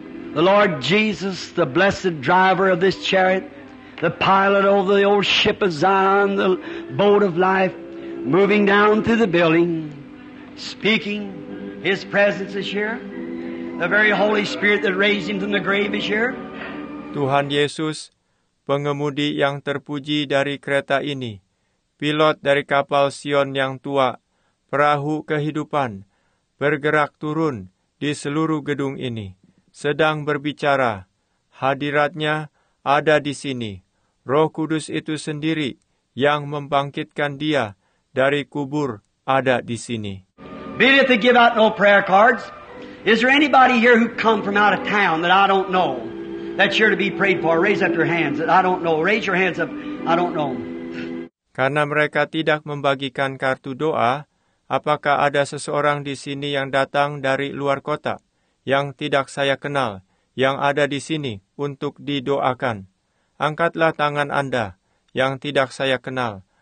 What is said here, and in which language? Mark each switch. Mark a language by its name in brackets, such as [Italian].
[English] The Lord Jesus, the blessed driver of this chariot, the pilot over the old ship of Zion, the boat of life, moving down through the building, speaking, His presence is here. The very Holy Spirit that raised Him from the grave is here. [Indonesian] Tuhan Yesus, pengemudi yang terpuji dari kereta ini, pilot dari kapal Sion yang tua, perahu kehidupan, bergerak turun di seluruh gedung ini. Sedang berbicara, hadiratnya ada di sini. Roh Kudus itu sendiri yang membangkitkan dia dari kubur ada di sini. [English] Bidet to give out no prayer cards. Is there anybody here who come from out of town that I don't know that's here to be prayed for? Raise up your hands that I don't know. Raise your hands up. I don't know. [Indonesian] Karena mereka tidak membagikan kartu doa, apakah ada seseorang di sini yang datang dari luar kota yang tidak saya kenal, yang ada di sini untuk didoakan? Angkatlah tangan Anda yang tidak saya kenal.